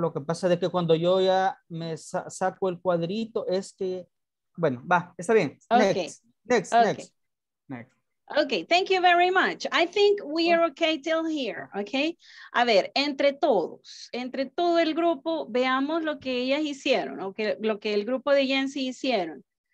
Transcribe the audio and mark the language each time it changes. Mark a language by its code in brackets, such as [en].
[es] Lo que pasa es que cuando yo ya me saco el cuadrito es que, bueno, va, está bien. [en] Okay. Next. Okay, thank you very much. I think we are okay till here, okay? [es] A ver, entre todo el grupo, veamos lo que ellas hicieron, lo que el grupo de Jensi hicieron.